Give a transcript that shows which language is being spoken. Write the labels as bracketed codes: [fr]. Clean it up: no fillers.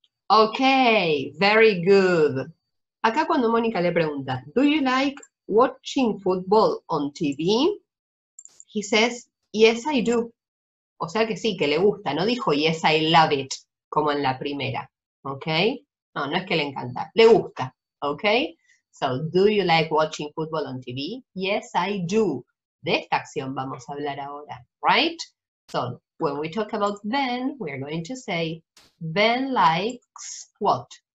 [en] Okay, very good. [es] Acá cuando Mónica le pregunta, [en] do you like watching football on TV? He says, yes, I do. [es] O sea que sí, que le gusta. No dijo, [en] yes, I love it, [es] como en la primera. Okay? No, no es que le encanta. Le gusta. Okay? [en] So, do you like watching football on TV? Yes, I do. [es] De esta acción vamos a hablar ahora, right? [en] So, when we talk about Ben, we are going to say, Ben likes what?